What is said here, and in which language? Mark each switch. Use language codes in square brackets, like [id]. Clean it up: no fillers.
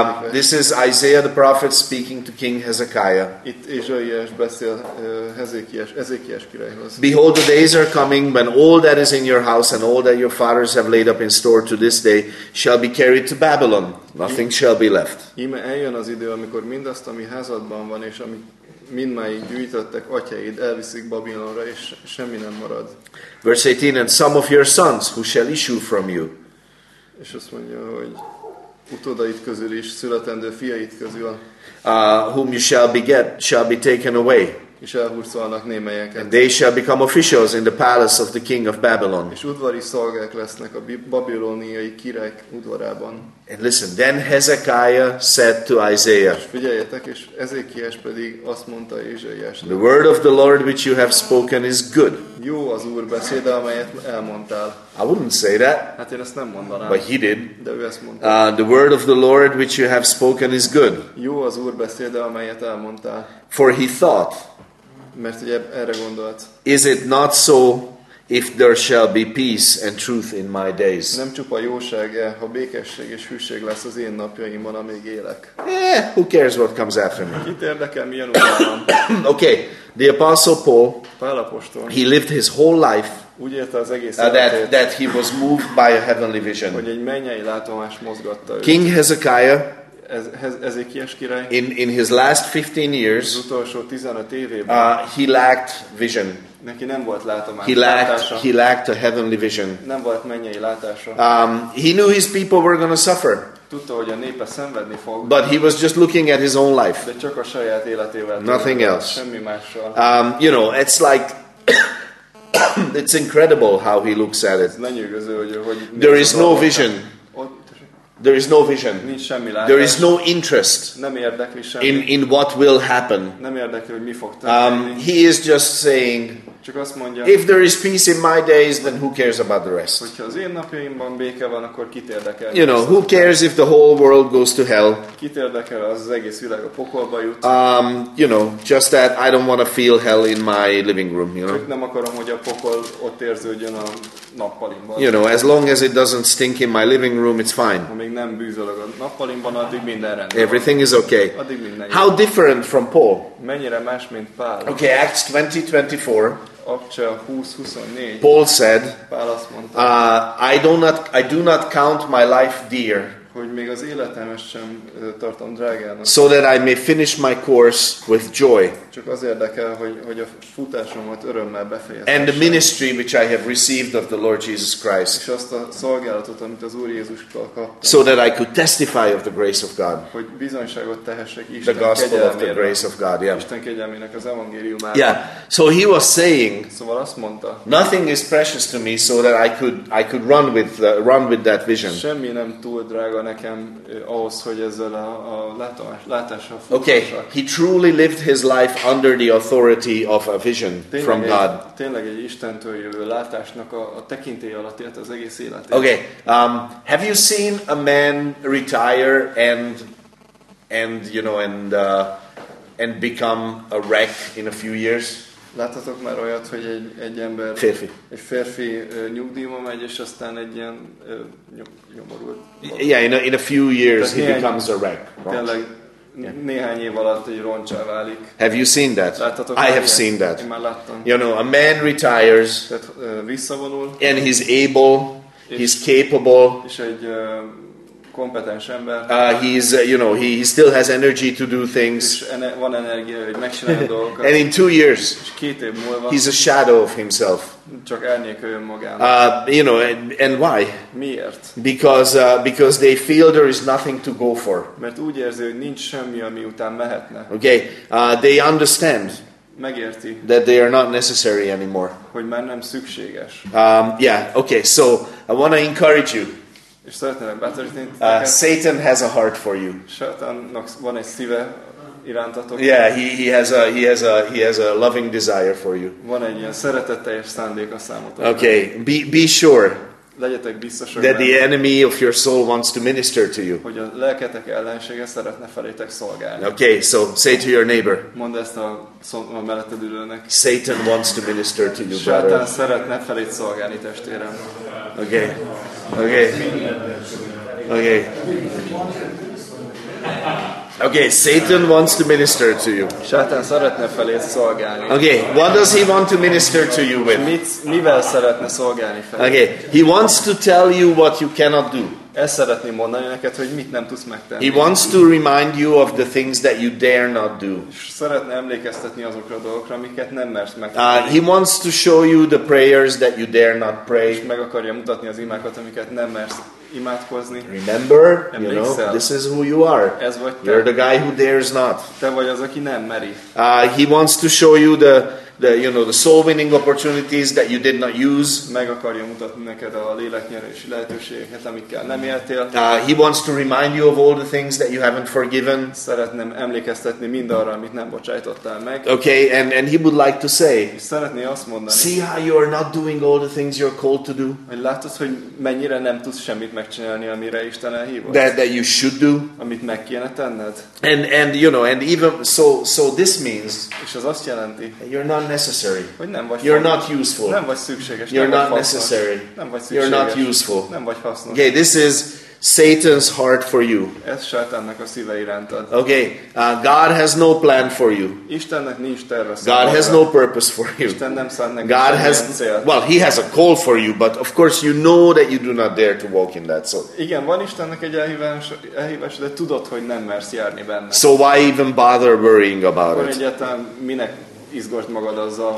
[en] This is Isaiah the prophet speaking to King Hezekiah. [hu] Itt Ézsaiás beszél Ezékiás királyhoz. [en] Behold, the days are coming when all that is in your house and all that your fathers have laid up in store to this day shall be carried to Babylon. Nothing shall be left. [hu] Íme eljön az idő, amikor mindazt, ami házadban van, és ami mindmáig gyűjtöttek atyaid, elviszik Babilonra, és semmi nem marad. [en] Verse 18. And some of your sons who shall issue from you. [hu] És azt mondja, hogy utódait közül is, születendő fiait közül. [en] Whom you shall beget, shall be taken away. [hu] És elhurcolnak némelyeket. [en] And they shall become officials in the palace of the king of Babylon. [hu] És udvari szolgák lesznek a babiloniai király udvarában. [en] And listen, then Hezekiah said to Isaiah. [hu] És figyeljetek, és Ezékiás pedig azt mondta Ézsaiásnak. [en] The word of the Lord which you have spoken is good. [hu] Jó az Úr beszéde, amelyet elmondtál. [en] I wouldn't say that. [hu] Hát én ezt nem mondanám. [en] But he did. [hu] De ő ezt mondta. [en] The word of the Lord which you have spoken is good. [hu] Jó az Úr beszéde, amelyet elmondtál. [en] For he thought. [hu] Mert ugye erre gondolt. [en] Is it not so if there shall be peace and truth in my days? [hu] Nem csupa jóság, ha békesség és hűség lesz az én napjaimban, amíg élek. [en] Who cares what comes after me? [hu] Kit érdekel, milyen utánam? [en] Okay, the Apostle Paul. [hu] Pál apostol. He lived his whole life. Úgy érte az egész életét. [en] That he was moved by a heavenly vision. [hu] Hogy egy mennyei látomás mozgatta őt. [en] King Hezekiah. [hu] Ezékiás király. [en] In his last 15 years. [hu] Az utolsó 15 évében. [en] He lacked vision. [hu] Neki nem volt látomás. [en] He lacked a heavenly vision. [hu] Nem volt mennyei látása. [en] He knew his people were going to suffer. [hu] Tudta, hogy a népe szenvedni fog. [en] But he was just looking at his own life. [hu] De csak a saját életével. [en] Nothing else. [hu] Semmi mással. [en] You know, it's like it's incredible how he looks at it. [hu] Lenyűgöző, hogy [en] there is no vision. There is no vision. [hu] Nincs semmi látás. [en] There is no interest. [hu] Nem érdekli semmi. [en] In what will happen. [hu] Nem érdekli, hogy mi fog történni. [en] He is just saying. [hu] Csak azt mondja. [en] If there is peace in my days, then who cares about the rest? [hu] Hogyha az én napjaimban béke van, akkor kit érdekel? [en] You know, who cares if the whole world goes to hell? [hu] Kit érdekel, az egész világ a pokolba jut? [en] You know, just that I don't want to feel hell in my living room, you know. [hu] Csak nem akarom, hogy a pokol ott érződjön a nappalimban. [en] You know, as long as it doesn't stink in my living room, it's fine. [hu] Még nem bűzölök a nappalimban, addig minden rendben. [en] Everything is okay. [hu] Addig minden jó. [en] How different from Paul? [hu] Mennyire más, mint Pál? [en] Okay, Acts 20:24. [hu] Akcsa 20:24. [en] Paul said. [hu] Pál azt mondta. [en] I do not count my life dear. [hu] Hogy még az életemet sem tartom drágának. [en] So that I may finish my course with joy. [hu] Csak az érdekel, hogy a futásomat örömmel befejezhessem. [en] And the ministry which I have received of the Lord Jesus Christ. [hu] És azt a szolgálatot, amit az Úr Jézustól kaptam. [en] So that I could testify of the grace of God. [hu] Hogy bizonyságot tehessek Isten kegyelméről. [en] The gospel of the grace of God, yeah. [hu] Isten kegyelmének az evangéliumára. [en] Yeah. So he was saying. [hu] Szóval azt mondta. [en] Nothing is precious to me, so that I could run with that vision. [hu] Semmi nem túl drága nekem ahhoz, hogy ezzel a látással futassak. [en] Okay, he truly lived his life under the authority of a vision from God. [hu] Tényleg egy Istentől jövő látásnak a tekintély alatt élt az egész életét. [en] Okay, have you seen a man retire and you know and become a wreck in a few years? [hu] Láttatok már olyat, hogy egy ember férfi. Egy férfi nyugdíjba megy, és aztán egy ilyen nyomorult. [en] Yeah, in a few years he becomes a wreck. [hu] Tényleg néhány év alatt egy roncsá válik. [en] Have you seen that? [hu] Láttatok, [en] I have seen that. [hu] Én már láttam. [en] You know, a man retires. [hu] Tehát, visszavonul. [en] And he's able. He's capable. [hu] És egy kompetens ember. [en] He's, you know, he still has energy to do things. [hu] Van energia, hogy megcsinálja dolgokat. [en] And in 2 years. [hu] És két év múlva. [en] He's a shadow of himself. [hu] Csak elnyékeljön magának. [en] You know, and why? [hu] Miért? [en] Because they feel there is nothing to go for. [hu] Mert úgy érzi, hogy nincs semmi, ami után mehetne. [en] Okay, they understand. [hu] Megérti. [en] That they are not necessary anymore. [hu] Hogy már nem szükséges. [en] Yeah, okay, so I want to encourage you. [hu] És szeretnélek bátorítani titeket. [en] Satan has a heart for you. [hu] Satannak van egy szíve irántatok. [en] Yeah, he has a loving desire for you. [hu] Van egy ilyen szeretetteljes szándék a számotokra. [en] Okay, be sure. [hu] Legyetek biztosak benne. [en] That the enemy of your soul wants to minister to you. [hu] Hogy a lelketek ellensége szeretne felétek szolgálni. [en] Okay, so say to your neighbor. [hu] Mondd ezt a melletted ülőnek. [en] Satan wants to minister to you, brother. [hu] Satan szeretne felét szolgálni, testvérem. [en] Okay. Okay. Okay. Okay, Satan wants to minister to you. [hu] Satan szeretne feléd szolgálni. [en] Okay, what does he want to minister to you with? [hu] Mivel szeretne szolgálni feléd? [en] Okay, he wants to tell you what you cannot do. [hu] Ezt szeretném mondani neked, hogy mit nem tudsz megtenni. [en] He wants to remind you of the things that you dare not do. [hu] Szeretne emlékeztetni azokra a dolgokra, amiket nem mersz meg. [en] He wants to show you the prayers that you dare not pray. [hu] És meg akarja mutatni az imákat, amiket nem mersz imádkozni. [en] Remember, you know, this is who you are. [hu] Ez vagy te. [en] You're the guy who dares not. [hu] Te vagy az, aki nem meri. [en] He wants to show you the you know, the soul winning opportunities that you did not use. [hu] Meg akarja mutatni neked a léleknyerési lehetőségeket, amikkel nem éltél. [en] He wants to remind you of all the things that you haven't forgiven. [hu] Szeretném emlékeztetni mindarra, amit nem bocsájtottál meg. [en] Okay, and he would like to say. [hu] Szeretné azt mondani. [en] See how you are not doing all the things you're called to do. [hu] Hogy látod, hogy mennyire nem tudsz semmit megcsinálni, amire Isten elhívott. [en] That you should do. [hu] Amit meg kéne tenned. [en] And you know, and even so this means. [hu] És az azt jelenti. [en] You're not necessary. [hu] Hogy nem vagy. [en] You're not useful. [hu] Nem vagy szükséges. [en] You're not [hu] vagy [en] necessary. [hu] Nem vagy szükséges. [en] You're not useful. [hu] Nem vagy hasznos. [en] Okay, this is Satan's heart for you. [hu] Ez Sátánnak a szíve irántad. [en] Okay, God has no plan for you. [hu] Istennek nincs terve. [en] God has no purpose for you. [hu] Isten nem szánt neked. God has célt. [en] Well, he has a call for you, but of course you know that you do not dare to walk in that. So. [hu] Igen, van Istennek egy elhívás, de tudod, hogy nem mersz járni benne. [en] So why even bother worrying about it? [hu] Egyáltalán minek izgasd magad azzal.